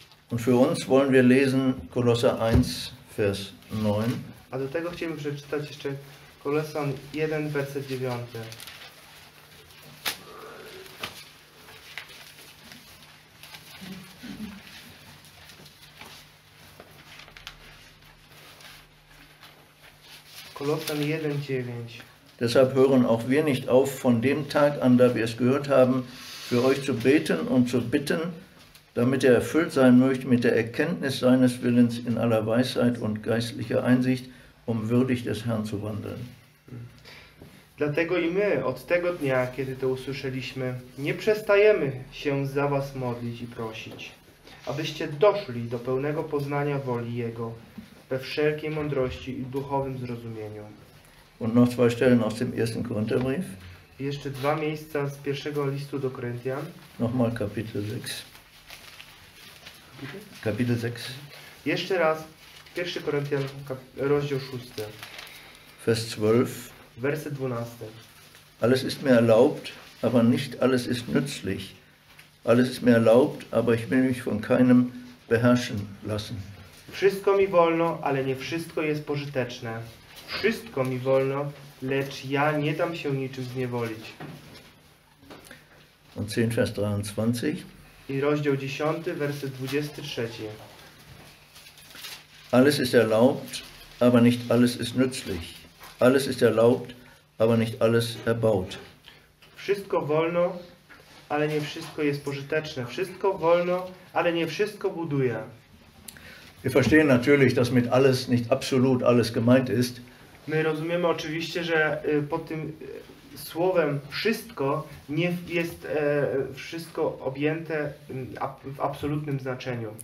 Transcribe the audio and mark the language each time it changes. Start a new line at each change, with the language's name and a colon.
German: Und für uns wollen wir lesen Kolosser 1, Vers 9.
Polish: A do tego chcielibyśmy przeczytać jeszcze Kolosan 1, werset 9. Kolosan 1, 9.
German: Deshalb hören auch wir nicht auf, von dem Tag an, da wir es gehört haben, für euch zu beten und zu bitten, damit er erfüllt sein möchte mit der Erkenntnis seines Willens in aller Weisheit und geistlicher Einsicht, um würdig des Herrn zu wandeln.
Polish: Dlatego i my od tego dnia, kiedy to usłyszeliśmy, nie przestajemy się za was modlić i prosić, abyście doszli do pełnego poznania woli Jego we wszelkiej mądrości i duchowym zrozumieniu.
German: Und noch zwei Stellen aus dem ersten Korintherbrief.
Polish: Jeszcze dwa miejsca z pierwszego listu do Koryntian.
German: Nochmal Kapitel 6. Kapitel 6.
Polish: Jeszcze raz, 1 Koryntian, rozdział 6.
German: Vers 12.
Polish: Werset 12.
German: Alles ist mir erlaubt, aber nicht alles ist nützlich. Alles ist mir erlaubt, aber ich will mich von keinem beherrschen lassen.
Polish: Wszystko mi wolno, ale nie wszystko jest pożyteczne. Wszystko mi wolno, lecz ja nie dam się niczym zniewolić.
German: Und 10, Vers 23.
Polish: I rozdział 10, werset 23.
German: Alles ist erlaubt, aber nicht alles ist nützlich. Alles ist erlaubt, aber nicht alles erbaut.
Polish: Wszystko wolno, ale nie wszystko jest pożyteczne. Wszystko wolno, ale nie wszystko buduje.
German: Wir verstehen natürlich, dass mit alles nicht absolut alles gemeint ist.
Polish: My rozumiemy oczywiście, że pod tym słowem wszystko nie jest wszystko objęte w absolutnym znaczeniu.